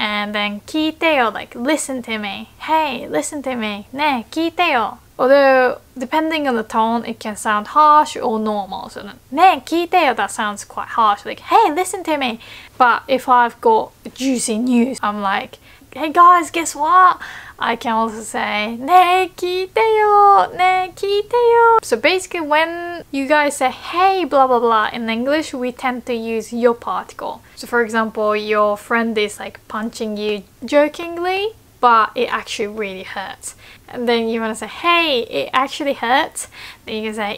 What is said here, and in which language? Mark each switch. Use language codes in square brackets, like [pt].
[en] And then, [ja] 聞いてよ, [en] like, listen to me. Hey, listen to me. [ja] ねえ、聞いてよ。 [en] Although, depending on the tone, it can sound harsh or normal. So, [ja] ねえ、聞いてよ, [en] that sounds quite harsh. Like, hey, listen to me. But if I've got juicy news, I'm like, hey guys, guess what? I can also say, [ja] ねえ聞いてよ、ねえ聞いてよ。 [en] So basically when you guys say, hey, blah, blah, blah, in English, we tend to use your particle. So for example, your friend is like punching you jokingly, but it actually really hurts. And then you want to say, hey, it actually hurts. Then you can say,